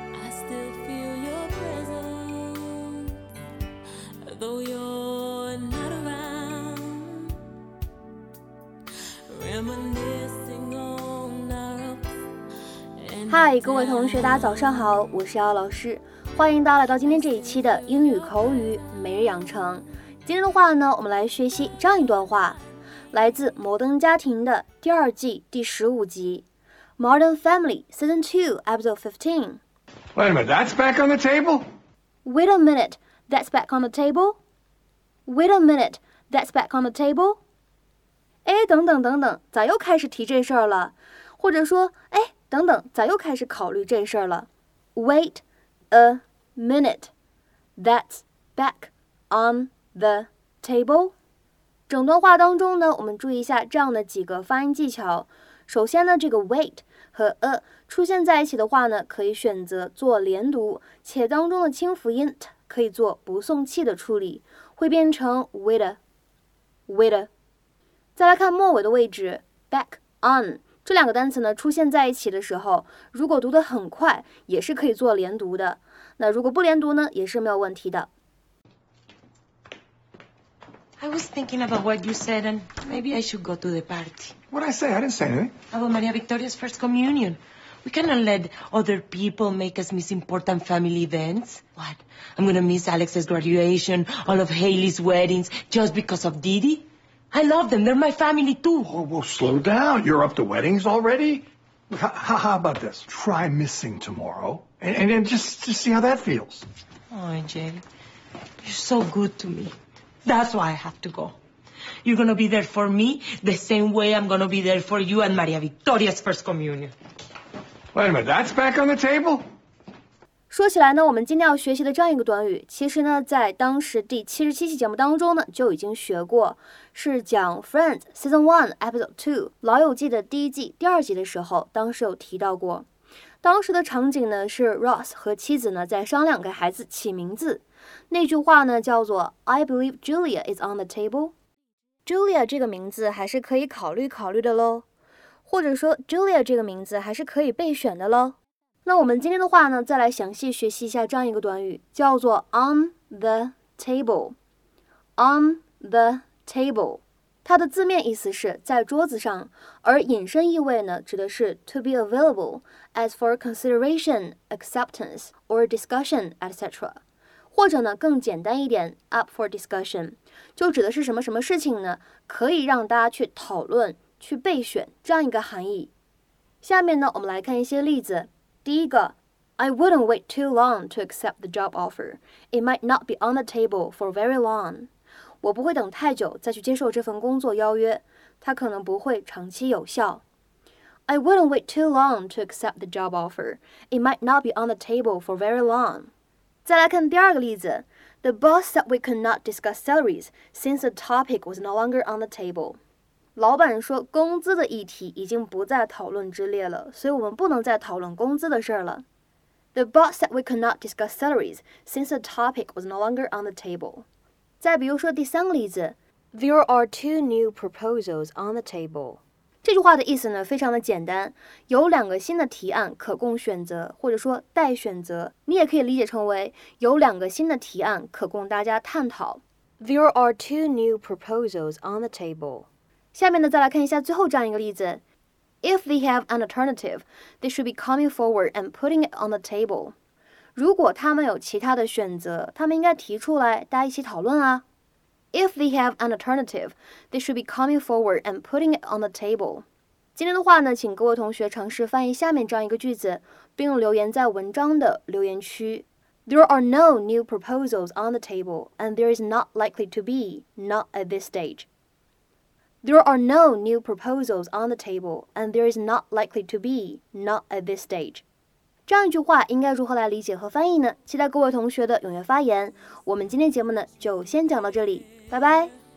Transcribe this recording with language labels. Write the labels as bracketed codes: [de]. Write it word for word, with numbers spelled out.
[en] still feel your presence, though you're not around. Reminiscing on our ups and [zh] 嗨，各位同学，大家早上好，我是姚老师，欢迎大家来到今天这一期的英语口语每日养成。今天的话呢，我们来学习这样一段话，来自《摩登家庭》的第二季第十五集，《Modern Family Season Two Episode Fifteen》。 [en] Wait a minute, that's back on the table? Wait a minute, that's back on the table? Wait a minute, that's back on the table? [zh] 哎，等等等等，咋又开始提这事儿了？或者说，哎，等等，咋又开始考虑这事儿了 ？ [en] Wait a minute, that's back on the table。 [zh] 整段话当中呢，我们注意一下这样的几个发音技巧。首先呢，这个 wait 和 a 出现在一起的话呢，可以选择做连读，且当中的清辅音 t 可以做不送气的处理，会变成 wait a wait a。再来看末尾的位置 back on， 这两个单词呢出现在一起的时候，如果读得很快，也是可以做连读的。那如果不连读呢，也是没有问题的。 [en] I was thinking about what you said, and maybe I should go to the party. What did I say? I didn't say anything. About Maria Victoria's first communion. We cannot let other people make us miss important family events. What? I'm going to miss Alex's graduation, all of Haley's weddings, just because of Didi? I love them. They're my family, too. Oh, well, slow down. You're up to weddings already? How, how about this? Try missing tomorrow, and, and, and just, just see how that feels. Oh, Jay, you're so good to me. That's why I have to go. You're going to be there for me the same way I'm going to be there for you and Maria Victoria's first communion. Wait a minute, that's back on the table? [zh] 说起来呢，我们今天要学习的这样一个短语，其实呢，在当时第七十七期节目当中呢，就已经学过，是讲 Friends Season One Episode Two 老友记的第一季、第二集的时候，当时有提到过。当时的场景呢，是 Ross 和妻子呢在商量给孩子起名字。那句话呢叫做 [en] I believe Julia is on the table。 [zh] Julia 这个名字还是可以考虑考虑的咯，或者说 Julia 这个名字还是可以备选的咯。那我们今天的话呢，再来详细学习一下这样一个短语，叫做 on the table。 on the table 它的字面意思是在桌子上，而引申意味呢指的是 [en] to be available as for consideration, acceptance or discussion, et cetera， [zh] 或者呢更简单一点 [en] up for discussion [zh] 就指的是什么什么事情呢，可以让大家去讨论，去备选，这样一个含义。下面呢我们来看一些例子。第一个 [en] I wouldn't wait too long to accept the job offer. It might not be on the table for very long. [zh] 我不会等太久再去接受这份工作邀约，它可能不会长期有效。 [en] I wouldn't wait too long to accept the job offer. It might not be on the table for very long. [zh] 再来看第二个例子 [en] The boss said we could not discuss salaries since the topic was no longer on the table. [zh] 老板说工资的议题已经不在讨论之列了，所以我们不能再讨论工资的事了。 [en] The boss said we could not discuss salaries since the topic was no longer on the table. [zh] 再比如说第三个例子 [en] There are two new proposals on the table. [zh] 这句话的意思呢非常的简单，有两个新的提案可供选择，或者说待选择，你也可以理解成为有两个新的提案可供大家探讨。 [en] There are two new proposals on the table. [zh] 下面呢再来看一下最后这样一个例子 [en] If they have an alternative, they should be coming forward and putting it on the table. [zh] 如果他们有其他的选择，他们应该提出来，大家一起讨论啊。 [en] If they have an alternative, they should be coming forward and putting it on the table. [zh] 今天的话呢，请各位同学尝试翻译下面这样一个句子，并留言在文章的留言区。 [en] There are no new proposals on the table, and there is not likely to be, not at this stage. There are no new proposals on the table, and there is not likely to be, not at this stage. [zh] 这样一句话应该如何来理解和翻译呢？期待各位同学的踊跃发言。我们今天节目呢，就先讲到这里，拜拜。